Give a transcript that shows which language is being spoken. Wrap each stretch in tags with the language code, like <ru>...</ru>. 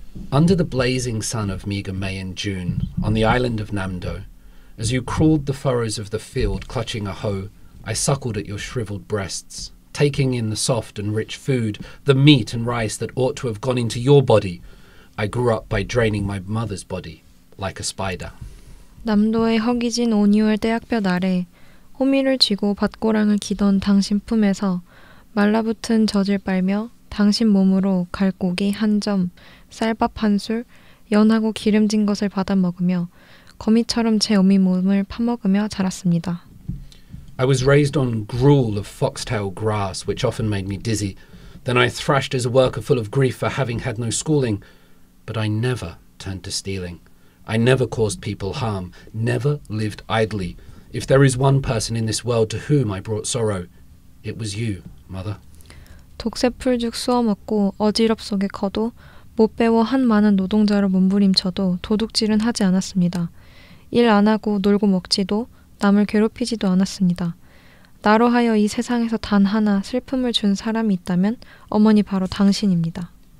<en>Under the blazing sun of meager May and June, on the island of Namdo, as you crawled the furrows of the field clutching a hoe, I suckled at your shriveled breasts, taking in the soft and rich food, the meat and rice that ought to have gone into your body. I grew up by draining my mother's body. Like a spider.</en> <ko>남도의 허기진 오뉴월 대학볕 아래 호미를 쥐고 밭고랑을 기던 당신 품에서 말라붙은 젖을 빨며 당신 몸으로 갈고기 한 점, 쌀밥 한 술, 연하고 기름진 것을 받아 먹으며 거미처럼 제 어미 몸을 파먹으며 자랐습니다.</ko> <en>I was raised on gruel of foxtail grass, which often made me dizzy. Then I thrashed as a worker full of grief for having had no schooling. But I never turned to stealing. I never caused people harm, never lived idly. If there is one person in this world to whom I brought sorrow, it was you, mother.</en> <ko>독새풀죽 쑤어 먹고 어지럽 속에 커도 못 배워 한 많은 노동자로 몸부림쳐도 도둑질은 하지 않았습니다. 일 안 하고 놀고 먹지도 남을 괴롭히지도 않았습니다. 나로 하여 이 세상에서 단 하나 슬픔을 준 사람이 있다면 어머니 바로 당신입니다.</ko>